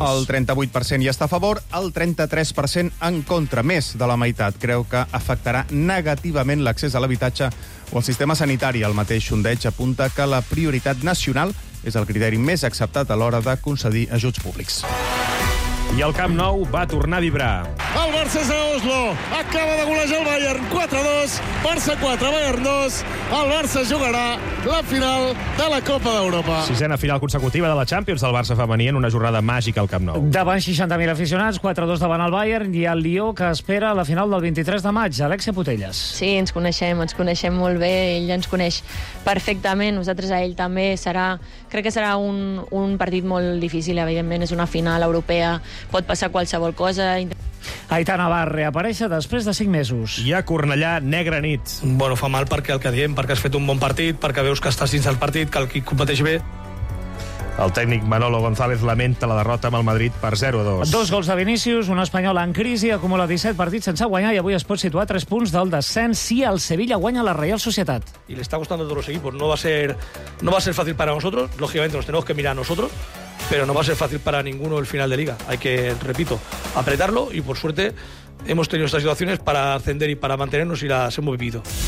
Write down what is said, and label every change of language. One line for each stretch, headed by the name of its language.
Catalan: El 38% hi està a favor, el 33% en contra. Més de la meitat creu que afectarà negativament l'accés a l'habitatge o el sistema sanitari. El mateix sondeig apunta que la prioritat nacional és el criteri més acceptat a l'hora de concedir ajuts públics. I el Camp Nou va tornar a vibrar. El Barça és a Oslo. Acaba de golejar el Bayern 4-2. Barça 4, Bayern 2. El Barça jugarà la final de la Copa d'Europa. 6ª final consecutiva de la Champions del Barça femení en una jornada màgica al Camp Nou. Davant 60.000 aficionats, 4-2 davant el Bayern i el Lió que espera la final del 23 de maig. Alexia Putellas. Sí, ens coneixem molt bé. Ell ens coneix perfectament. Nosaltres a ell també. Crec que serà un partit molt difícil. Evidentment és una final europea. Pot passar qualsevol cosa. Aitana va reaparèixer després de 5 mesos. I a Cornellà, negra nit. Bueno, fa mal perquè el que diem, perquè has fet un bon partit, perquè veus que estàs dins del partit, que el qui competeix bé. El tècnic Manolo González lamenta la derrota amb el Madrid per 0-2. 2 gols de Vinícius, un espanyol en crisi, acumula 17 partits sense guanyar i avui es pot situar 3 punts del descens si el Sevilla guanya la Real Societat.
Spanish: Y le está gustando a todos los equipos. No va a ser fácil para nosotros. Lógicamente nos tenemos que mirar a nosotros. Pero no va a ser fácil para ninguno el final de liga. Hay que, repito, apretarlo y por suerte hemos tenido estas situaciones para ascender y para mantenernos y las hemos vivido.